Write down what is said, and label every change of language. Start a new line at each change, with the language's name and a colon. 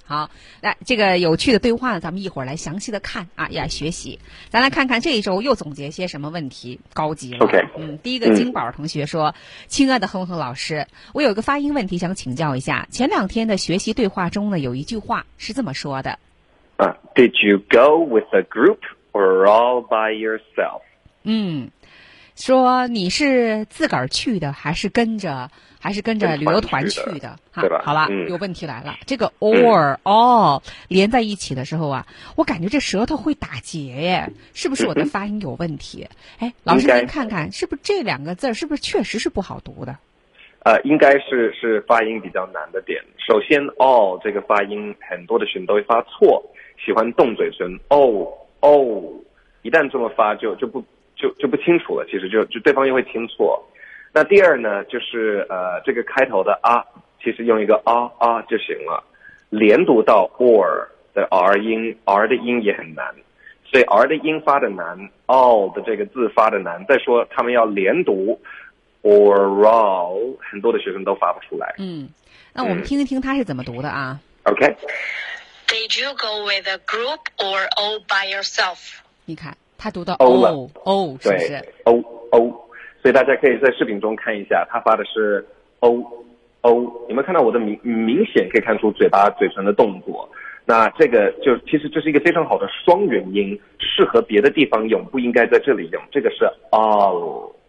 Chinese: 好，来，这个有趣的对话咱们一会儿来详细的看啊，也来学习。咱来看看这一周又总结些什么问题，高级了。
English: OK，
Chinese: 第一个金宝同学说，亲爱的哼哼老师，我有个发音问题想请教一下。前两天的学习对话中呢，有一句话是这么说的。
English: Did you go with a group or all by yourself？
Chinese: 说你是自个儿去的还是跟着旅游团去的，哈，对吧？好了，有问题来了，这个 or all 连在一起的时候啊，我感觉这舌头会打结耶，是不是我的发音有问题？哎，老师您看看，是不是这两个字是不是确实是不好读的？应该是发音比较难的点。首先 all 这个发音很多的学生都会发错，喜欢动嘴唇 oh 一旦这么发就不清楚了，其实就对方又会听错。那第二呢，就是这个开头的啊，其实用一个啊就行了，连读到 or 的 r 音， r 的音也很难，所以 r 的音发的难， all 的这个字发的难。再说他们要连读 or all， 很多的学生都发不出来。那我们听一听他是怎么读的啊。
English: OK， Did you go with a group or all by yourself？
Chinese: 你看他读的 oh， 是不是 oh， 所以大家可以在视频中看一下，他发的是 oh， 你们看到我的明显可以看出嘴唇的动作，那这个就其实这是一个非常好的双元音，适合别的地方用，不应该在这里用，这个是 all。